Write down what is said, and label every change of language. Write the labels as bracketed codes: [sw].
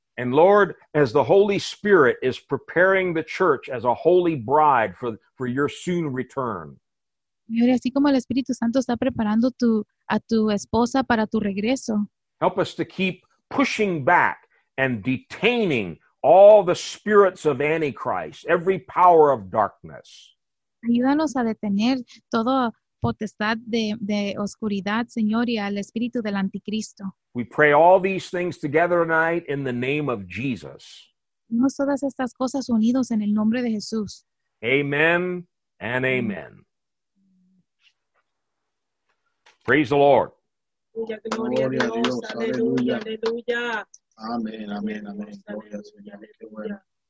[en] And Lord, as the Holy Spirit is preparing the church as a holy bride for your soon return. [es] Señor, así como el Espíritu Santo está preparando a tu esposa para tu regreso. [en] Help us to keep pushing back and detaining all the spirits of Antichrist, every power of darkness. [es] Ayúdanos a detener toda potestad de oscuridad, Señor, y al Espíritu del Anticristo. [en] We pray all these things together tonight in the name of Jesus. [es] Tenemos todas estas cosas unidos en el nombre de Jesús. [en] Amen and amen. Praise the Lord. [es] Gloria a Dios. Aleluya. Aleluya. Amén. Amén. Amén. Gloria al Señor. Qué bueno.